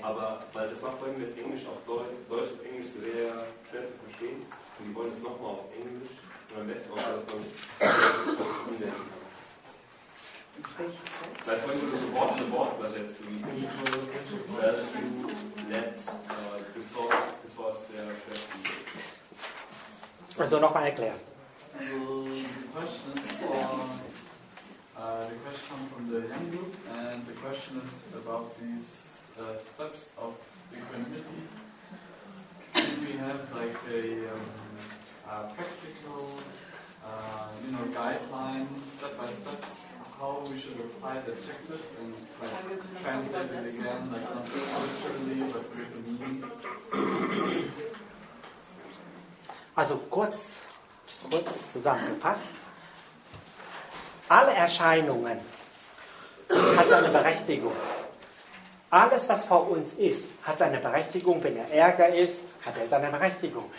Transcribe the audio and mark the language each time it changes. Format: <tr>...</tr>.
<de>Aber weil das war vorhin mit Englisch auf Deutsch und Englisch sehr schwer zu verstehen. Und die wollen es nochmal auf Englisch. Und am besten auch, dass man es umdenken kann. Seit vorhin wurde so Wort für Wort übersetzt, wie Neutral, Value, Net, Disorder. Das war sehr schwer zu verstehen. Also nochmal erklären.</de> <en>So, the question is for the question from the young group, and the question is about these steps of equanimity. Do we have like a practical, you know, guideline step by step how we should apply the checklist and like, translate it again, like not culturally but with the meaning?</en> <de>Also kurz zusammengefasst, alle Erscheinungen hat eine Berechtigung. Alles, was vor uns ist, hat seine Berechtigung. Wenn er Ärger ist, hat er seine Berechtigung.</de>